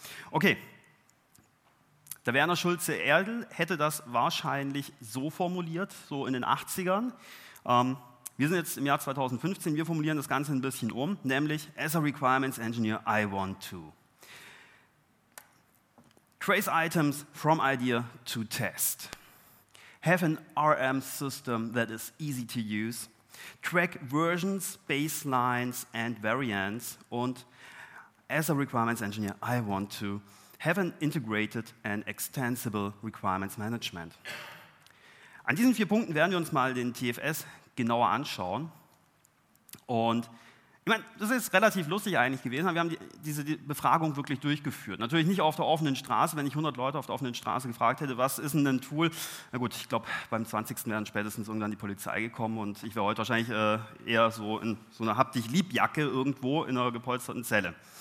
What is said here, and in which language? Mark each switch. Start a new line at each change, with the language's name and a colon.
German: Okay, der Werner Schulze-Erdl hätte das wahrscheinlich so formuliert, so in den 80ern. Wir sind jetzt im Jahr 2015, wir formulieren das Ganze ein bisschen um, nämlich
English: as a requirements engineer, I want to. Trace items from idea to test. Have an RM system that is easy to use. Track versions, baselines and variants. Und as a requirements engineer, I want to have an integrated and extensible requirements management.
German: An diesen vier Punkten werden wir uns mal den TFS genauer anschauen. Und ich meine, das ist relativ lustig eigentlich gewesen, aber wir haben diese Befragung wirklich durchgeführt. Natürlich nicht auf der offenen Straße, wenn ich 100 Leute auf der offenen Straße gefragt hätte, was ist denn ein Tool? Na gut, ich glaube, beim 20. wären spätestens irgendwann die Polizei gekommen und ich wäre heute wahrscheinlich eher so in so einer Hab-dich-lieb-Jacke irgendwo in einer gepolsterten Zelle.